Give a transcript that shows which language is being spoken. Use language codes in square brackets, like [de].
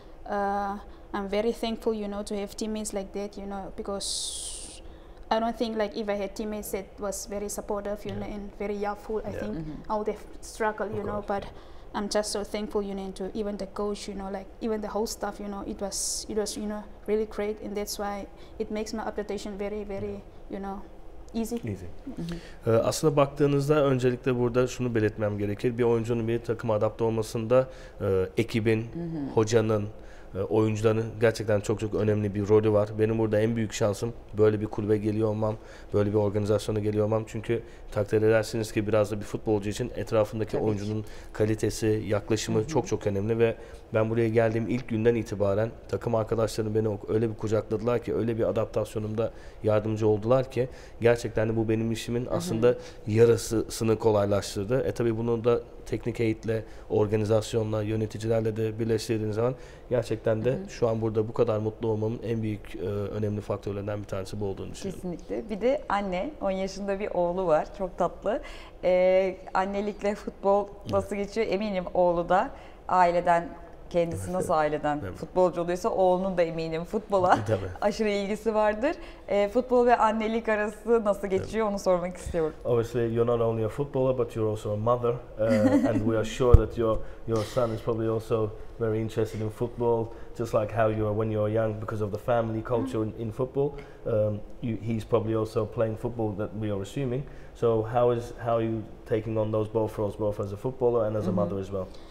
[en] I'm very thankful, you know, to have teammates like that, you know, because I don't think like if I had teammates that was very supportive, you know, and very helpful, I think I would have struggled, you know, but I'm just so thankful, you know, to even the coach, you know, like even the whole staff, you know, it was, you know, really great. And that's why it makes my adaptation very, very, you know, easy. [tr] Aslında baktığınızda öncelikle burada şunu belirtmem gerekir. Bir oyuncunun bir takıma adapte olmasında ekibin, hocanın, oyuncuların gerçekten çok çok önemli bir rolü var. Benim burada en büyük şansım böyle bir kulübe geliyor olmam, böyle bir organizasyona geliyor olmam. Çünkü takdir edersiniz ki biraz da bir futbolcu için etrafındaki tabii oyuncunun kalitesi, yaklaşımı çok çok önemli ve ben buraya geldiğim ilk günden itibaren takım arkadaşlarım beni öyle bir kucakladılar ki, öyle bir adaptasyonumda yardımcı oldular ki gerçekten de bu benim işimin aslında yarısını kolaylaştırdı. Tabii bunu da teknik eğitimle, organizasyonla, yöneticilerle de birleştirdiğiniz zaman gerçekten de şu an burada bu kadar mutlu olmamın en büyük önemli faktörlerinden bir tanesi bu olduğunu düşünüyorum. Kesinlikle. Bir de anne, 10 yaşında bir oğlu var. Çok tatlı. Annelikle futbol nasıl geçiyor? Eminim oğlu da aileden, kendisi nasıl aileden futbolcu oluyorsa oğlunun da eminim futbola aşırı ilgisi vardır. Futbol ve annelik arası nasıl geçiyor onu sormak istiyorum. [en] Obviously you're not only a footballer but you're also a mother and we are sure that your son is probably also very interested in football. just like how you are when you're young because of the family culture in football. He's probably also playing football, that we are assuming. So how are you taking on those both roles, both as a footballer and as a mother as well?